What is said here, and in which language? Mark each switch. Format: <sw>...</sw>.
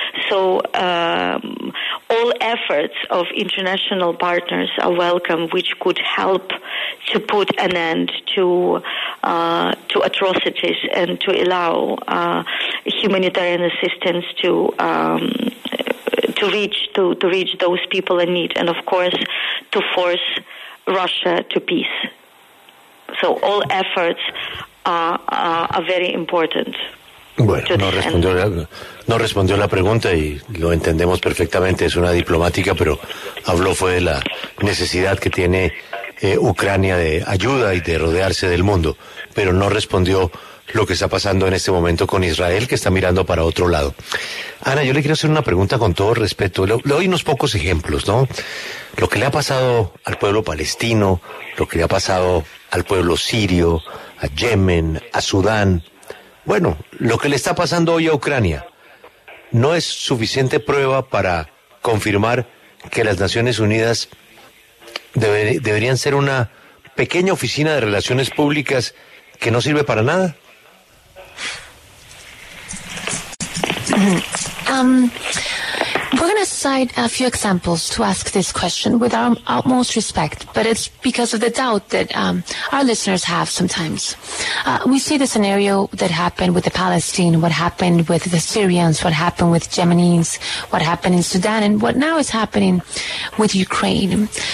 <en>So all efforts of international partners are welcome, which could help to put an end to atrocities and to allow humanitarian assistance to reach those people in need, and of course to force Russia to peace. So all efforts are very important.</en> <es>Bueno, no respondió la pregunta y lo entendemos perfectamente. Es una diplomática, pero habló fue de la necesidad que tiene Ucrania de ayuda y de rodearse del mundo, pero no respondió lo que está pasando en este momento con Israel, que está mirando para otro lado. Ana, yo le quiero hacer una pregunta con todo respeto. Le doy unos pocos ejemplos, ¿no? Lo que le ha pasado al pueblo palestino, lo que le ha pasado al pueblo sirio, a Yemen, a Sudán. Bueno, lo que le está pasando hoy a Ucrania no es suficiente prueba para confirmar que las Naciones Unidas deberían ser una pequeña oficina de relaciones públicas que no sirve para nada.</es> <en>We're going to cite a few examples to ask this question with our utmost respect, but it's because of the doubt that our listeners have sometimes. We see the scenario that happened with the Palestine, what happened with the Syrians, what happened with Yemenis, what happened in Sudan, and what now is happening with Ukraine.</en>